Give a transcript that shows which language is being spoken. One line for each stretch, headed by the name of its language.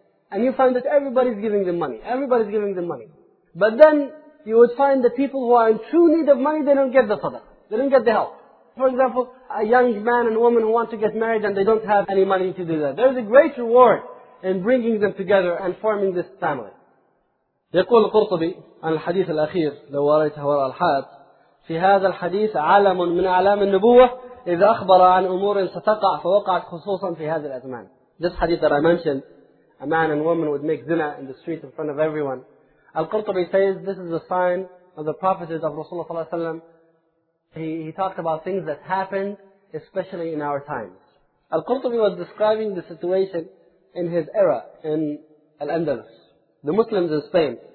English: And you find that everybody's giving them money. Everybody's giving them money. But then, you would find the people who are in true need of money, they don't get the sadaqah. They don't get the help. For example, a young man and woman who want to get married and they don't have any money to do that. There is a great reward in bringing them together and forming this family.
Arabic: يقول القرطبي عن الحديث الأخير لو وريته وراء الحائط في هذا الحديث علم من أعلام النبوة إذا أخبر عن أمور ستقع فوقعت خصوصا في هذا الأزمان.
English: This hadith that I mentioned, a man and woman would make zina in the street in front of everyone. Al-Qurtubi says this is a sign of the prophecies of Rasulullah ﷺ. He talked about things that happened, especially in our times. Al-Qurtubi was describing the situation in his era in Al-Andalus, the Muslims in Spain.